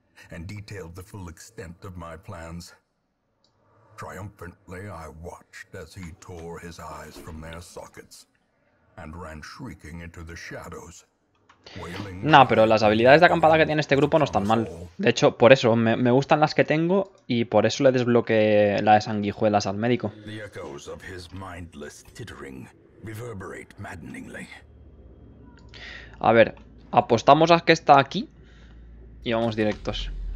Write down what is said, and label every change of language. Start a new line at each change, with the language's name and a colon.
English: And detailed the full extent of my plans. Triumphantly, I watched as he tore his eyes from their sockets and ran shrieking into the shadows, wailing.
Spanish: Nah, pero las habilidades de acampada que tiene este grupo no están mal. De hecho, por eso me gustan las que tengo y por eso le desbloqueé la de sanguijuelas al médico.
English: The echoes of his mindless tittering reverberate maddeningly.
Spanish: A ver, apostamos a que está aquí. Y vamos directos.